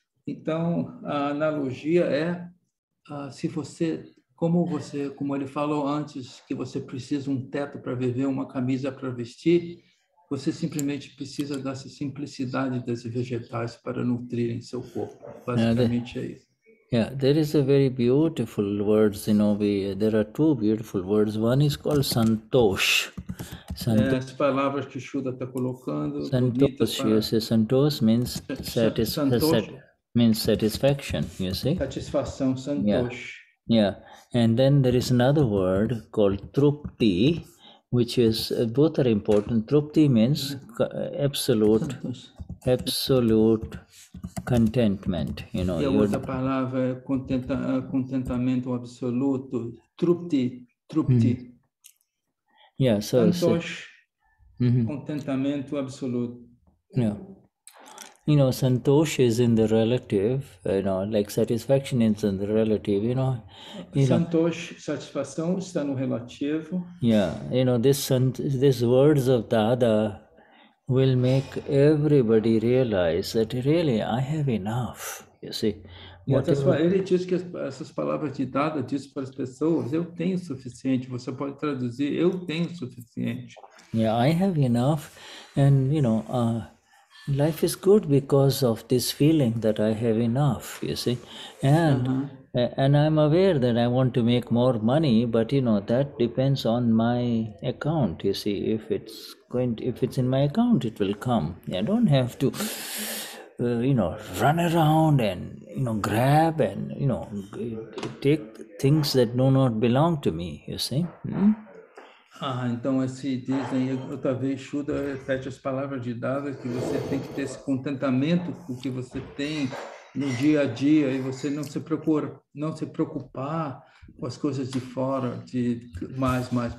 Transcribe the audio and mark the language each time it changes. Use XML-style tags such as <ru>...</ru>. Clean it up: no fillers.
<pt>Então, a analogia é, se você... Como ele falou antes, que você precisa um teto para viver, uma camisa para vestir, você simplesmente precisa dessa simplicidade desses vegetais para nutrirem seu corpo. Basicamente é isso.</pt> <en>Yeah, there is a very beautiful words, you know, there are two beautiful words. One is called santosh.</en> <pt>As palavras que Shuddha está colocando.</pt> <en>Santosh, you see, santosh means satisfaction, you see.</en> <pt>Satisfação, santosh.</pt> <en>Yeah. Yeah, and then there is another word called trupti, which is, both are important. Trupti means absolute, santosh. Absolute contentment, you know.</en> <pt>E a outra palavra é contentamento absoluto, trupti. Mm.</pt> <en>Yeah, so</en> <pt>santosh, mm-hmm. Contentamento absoluto.</pt> <en>Yeah, you know, santosh is in the relative, you know, like satisfaction is in the relative, you know.</en> <pt>Santosh, satisfação, está no relativo.</pt> <en>Yeah, you know, these words of Dada will make everybody realize that really I have enough, you see.</en> <pt>Ele diz que essas palavras de Dada diz para as pessoas, eu tenho o suficiente, você pode traduzir, eu tenho o suficiente.</pt> <en>Yeah, I have enough, and you know, life is good because of this feeling that I have enough, you see. And and I'm aware that I want to make more money, but you know, that depends on my account, you see. If it's in my account, it will come. I don't have to... you know, run around and, you know, grab and, you know, take things that do not belong to me, you see.</en> <pt>Ah, então esse dizem, outra vez, Shuddha repete as palavras de Dada, que você tem que ter esse contentamento com o que você tem no dia a dia, e você não se preocupar com as coisas de fora, de mais.</pt>